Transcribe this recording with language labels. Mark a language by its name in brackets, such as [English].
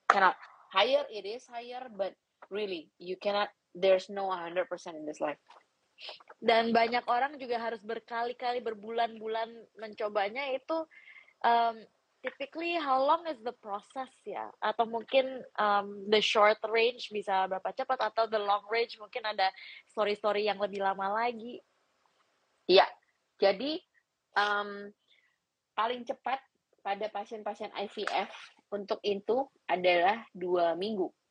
[Indonesian] Karena [English] higher it is higher, but really you cannot, there's no 100% in this life. [Indonesian] Dan banyak orang juga harus berkali-kali, berbulan-bulan mencobanya itu. [English] Typically, how long is the process ya? [Indonesian] Atau mungkin [English] the short range [Indonesian] bisa berapa cepat? Atau [English] the long range [Indonesian] mungkin ada story-story yang lebih lama lagi? Iya. Jadi, paling cepat pada pasien-pasien IVF untuk itu adalah 2 minggu.